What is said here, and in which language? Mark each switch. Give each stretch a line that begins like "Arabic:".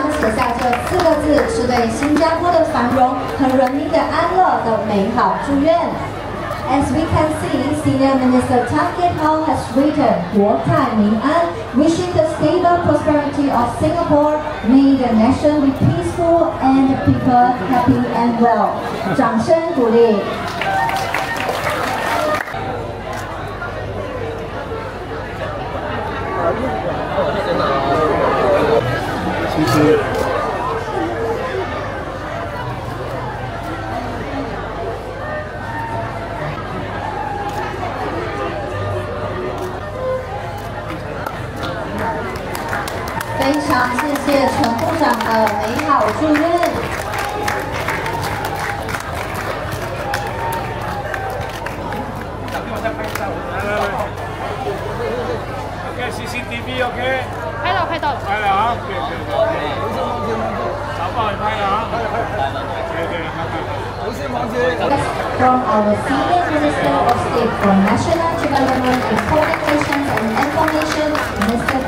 Chinese: 加坡的繁荣和人民的安乐的美好祝愿。
English: As we can see, Senior Minister Tan Kiat Hong has written 国泰民安 wishing the stable prosperity of Singapore, may the nation be peaceful and people happy and well.
Chinese: 掌声鼓励。其实非常谢谢陈部长的美好祝愿。
English: CCTV OK
Chinese: 拍了拍到了拍了啊，对对对，无线房间老板也拍了啊，无线房间
English: From our Senior Minister of State for National Development and Communication and Information Mr.